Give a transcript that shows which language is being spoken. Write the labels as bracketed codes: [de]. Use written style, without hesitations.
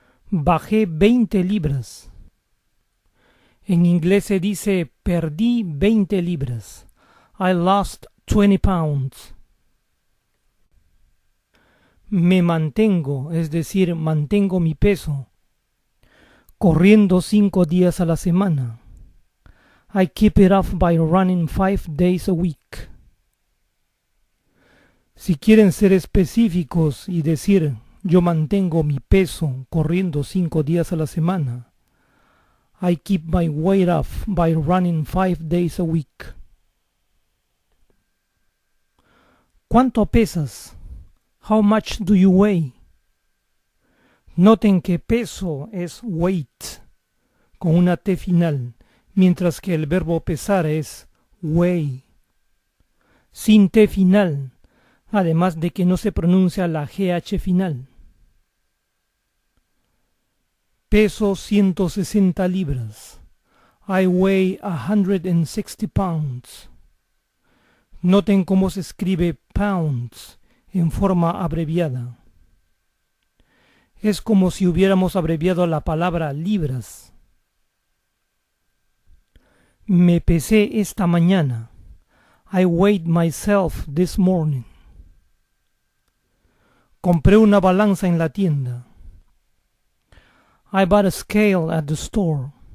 [es] Bajé 20 libras. En inglés se dice perdí 20 libras. [en] I lost 20 pounds. [es] Me mantengo, es decir, mantengo mi peso. Corriendo 5 días a la semana. [en] I keep it off by running 5 days a week. [es] Si quieren ser específicos y decir yo mantengo mi peso corriendo 5 días a la semana. [en] I keep my weight off by running 5 days a week. [es] ¿Cuánto pesas? [en] How much do you weigh? [es] Noten que peso es weight con una T final, mientras que el verbo pesar es weigh sin T final, además de que no se pronuncia la GH final. Peso 160 libras. [en] I weigh 160 pounds. [es] Noten cómo se escribe pounds en forma abreviada. Es como si hubiéramos abreviado la palabra libras. Me pesé esta mañana. [en] I weighed myself this morning. [es] Compré una balanza en la tienda. [en] I bought a scale at the store.